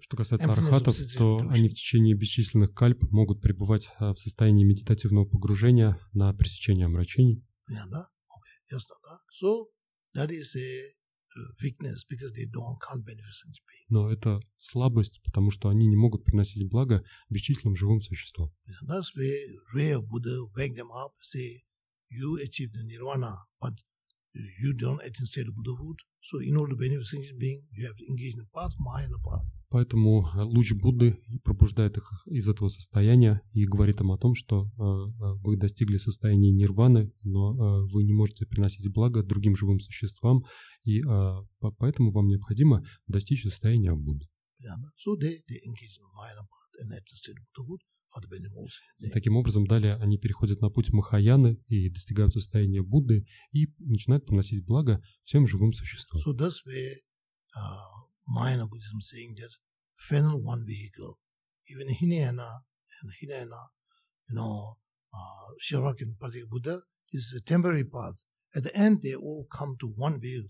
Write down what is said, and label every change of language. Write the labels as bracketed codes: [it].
[ru] Что касается архатов, то они в течение бесчисленных кальп могут пребывать в состоянии медитативного погружения на пресечение омрачений. [en] Yeah, да? Okay. Yes, no, да? So that is a weakness because they don't count benefits in pain. [ru] Но это слабость, потому что они не могут приносить благо бесчисленным живым существам. [en] Yeah, that's where real Buddha wake them up, say, you achieved the nirvana, but you don't attain state of Buddhahood. So in order to benefit sentient being, you have to engage in the path, mind, path. [ru] Поэтому луч Будды пробуждает их из этого состояния и говорит им о том, что вы достигли состояния нирваны, но вы не можете приносить благо другим живым существам, и поэтому вам необходимо достичь состояния Будды. [en] So they engage in minor path and attain state of Buddhahood. [ru] И таким образом, далее они переходят на путь Махаяны и достигают состояния Будды и начинают приносить благо всем живым существам. [en] So that's where Mahayana Buddhism saying that final one vehicle, even Hinayana and Hinayana, you know, Shiravaki and Pratika Buddha is a temporary path. At the end, they all come to one vehicle.